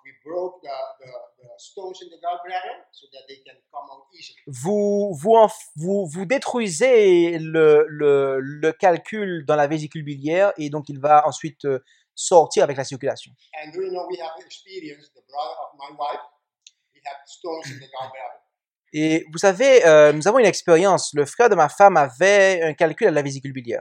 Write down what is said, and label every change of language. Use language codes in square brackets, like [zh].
[en] we broke the stones in the gallbladder so that they can come out easily. [fr] Vous détruisez le calcul dans la vésicule biliaire et donc il va ensuite sortir avec la circulation. [en] And you know, we have experienced the brother of my wife. He had stones in the gallbladder. [fr] Et vous savez, nous avons une expérience. Le frère de ma femme avait un calcul à la vésicule biliaire.